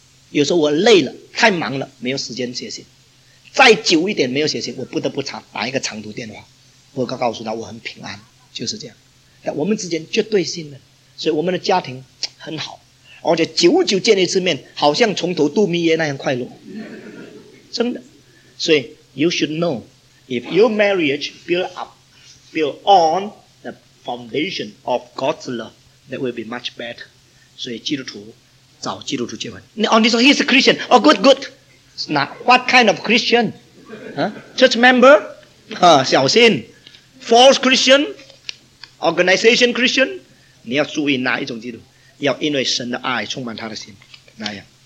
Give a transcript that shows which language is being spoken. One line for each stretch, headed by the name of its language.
Chinese: 有时候我累了太忙了，没有时间写信，再久一点没有写信，我不得不打一个长途电话，我告诉他我很平安，就是这样。但我们之间绝对信任，所以我们的家庭很好，而且久久见一次面好像从头度蜜月那样快乐，真的。所以
English: you should know if your marriage build on the foundation of God's love, that will be much better。
Chinese: 所以基督徒找基督徒结婚。
English: On this, he's a Christian, oh good good。 Now, what kind of Christian?、Church member?、
Chinese: 小心
English: False Christian? Organization Christian?
Chinese: 你要注意哪一种基督，要因为神的爱充满他的心那样。